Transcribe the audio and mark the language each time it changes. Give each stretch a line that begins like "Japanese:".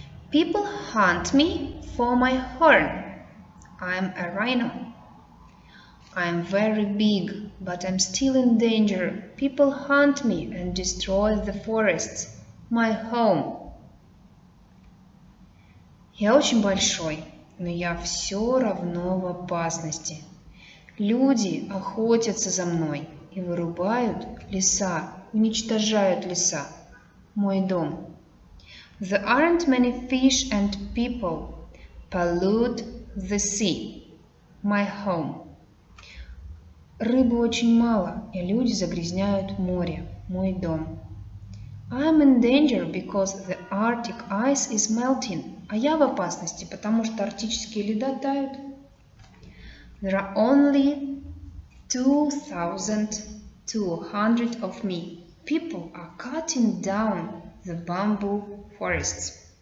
English: People hunt me for my horn. I'm a rhino. I'm very big, but I'm still in danger. People hunt me and destroy the forests, my home.
Russian: Я очень большой, но я все равно в опасности. Люди охотятся за мной и вырубают леса, уничтожают леса, мой дом.
English: There aren't many fish and people pollute the sea, my home.
Russian: Рыбы очень мало, и люди загрязняют море, мой дом.
English: I'm in danger because the Arctic ice is melting.
Russian: А я в опасности, потому что арктические леда тают.
English: There are only 2,200 of me. People are cutting down the bamboo forests.